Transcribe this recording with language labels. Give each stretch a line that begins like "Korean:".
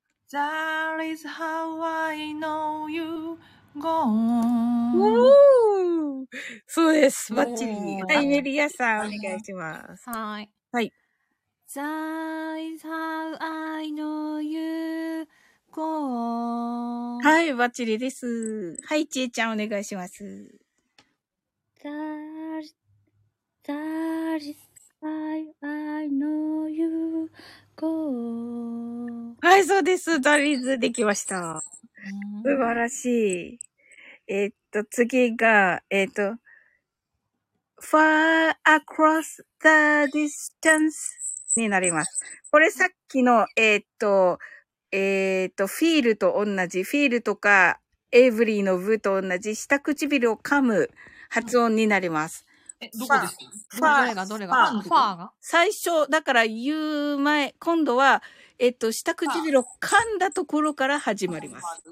English: ザリズ、how I know you go on.
Japanese: そうです。バッチリ。はい、メリアさん、お願いします。はい。はい。
English: ザリズ、how I know you go on.
Japanese: はい、バッチリです。はい、ちえちゃん、お願いします。
English: ザリズ、That is why I know you go.
Japanese: はい、そうです。ダリーズできました。素晴らしい。次が、
English: far across the distance
Japanese: になります。これさっきの、feel と同じ、feel とか、every の v と同じ、下唇を噛む発音になります。え、どこですか？どれが最初、だから言う前、今度は、下唇を噛んだところから始まります。